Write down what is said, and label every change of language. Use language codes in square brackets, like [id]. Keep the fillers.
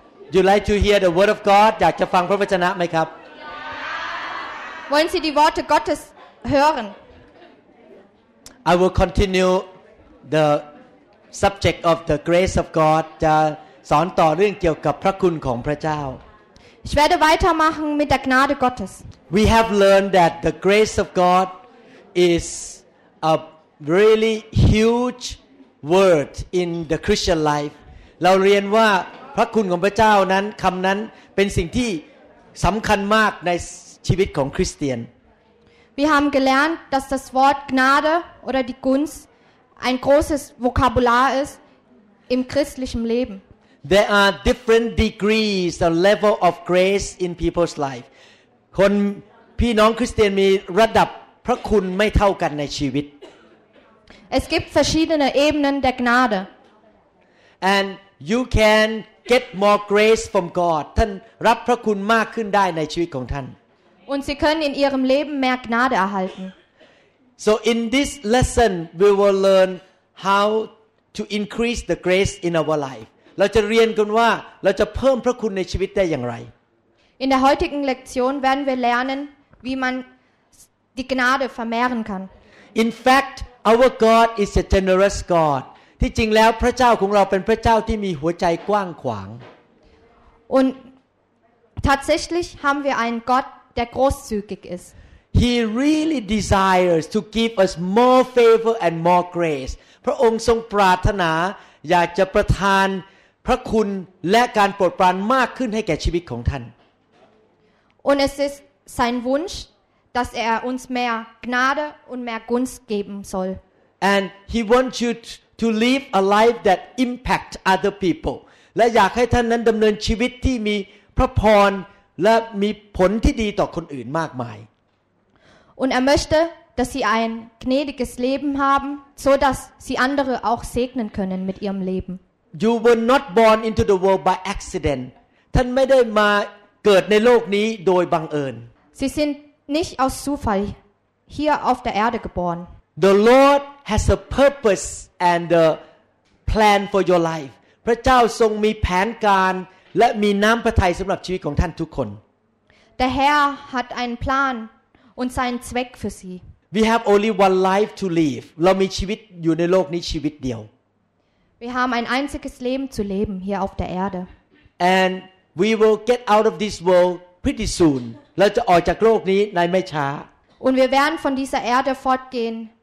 [en] You like to hear the word of God [th] อยากจะฟังพระวจนะไหมครับ [de] Wollen Sie die Worte Gottes hören? [en] I will continue the subject of the grace of God [th] จะสอนต่อเรื่องเกี่ยวกับพระคุณของพระเจ้า [de] Ich werde weitermachen mit der Gnade Gottes. [en] We have learned that the grace of God is a really huge word in the Christian life. [th] เราเรียนว่าพระคุณของพระเจ้านั้นคำนั้นเป็นสิ่งที่สำคัญมากในชีวิตของคริสเตียน [de] Wir haben gelernt, dass das Wort Gnade oder die Gunst ein großes Vokabular ist im christlichen Leben. [en] There are different degrees or level of grace in people's life. [th] คนพี่น้องคริสเตียนมีระดับพระคุณไม่เท่ากันในชีวิต [de] Es gibt verschiedene Ebenen der Gnade. [en] And you can get more grace from God [th] ท่านรับพระคุณมากขึ้นได้ในชีวิตของท่าน [de] Und Sie können in Ihrem Leben mehr Gnade erhalten. [en] So in this lesson we will learn how to increase the grace in our life. [th] เราจะเรียนกันว่าเราจะเพิ่มพระคุณในชีวิตได้อย่างไร [de] In der heutigen Lektion werden wir lernen, wie man die Gnade vermehren kann. [en] In fact, our God is a generous God. [th] ที่จริงแล้วพระเจ้าของเราเป็นพระเจ้าที่มีหัวใจกว้างขวาง [de] Und tatsächlich haben wir einen Gott, der großzügig ist. [en] He really desires to give us more favor and more grace. [th] พระองค์ทรงปรารถนา อยากจะประทานพระคุณและการโปรดปรานมากขึ้นให้แก่ชีวิตของท่าน [de] Und es ist sein Wunsch, dass er uns mehr Gnade und mehr Gunst geben soll. [en] And he wants you to to live a life that impact other people [th] และอยากให้ท่านนั้นดำเนินชีวิตที่มีพระพรและมีผลที่ดีต่อคนอื่นมากมาย [de] Und er möchte, dass Sie ein gnädiges Leben haben, so dass Sie andere auch segnen können mit Ihrem Leben. [en] You were not born into the world by accident. [th] ท่านไม่ได้มาเกิดในโลกนี้โดยบังเอิญ [de] Sie sind nicht aus Zufall hier auf der Erde geboren. [en] The Lord has a purpose and a plan for your life [th] พระเจ้าทรงมีแผนการ และมีน้ำพระทัยสำหรับชีวิตของท่านทุกคน [de] Der Herr hat einen Plan und seinen Zweck für Sie. [en] We have only one life to live. [th] เรามีชีวิตอยู่ในโลกนี้ชีวิตเดียว [de] We haben ein einziges Leben zu leben hier auf der Erde. [en] And we will get out of this world pretty soon. [th] เราจะออกจากโลกนี้ในไม่ช้า [de] Und wir werden von dieser Erde fortgehen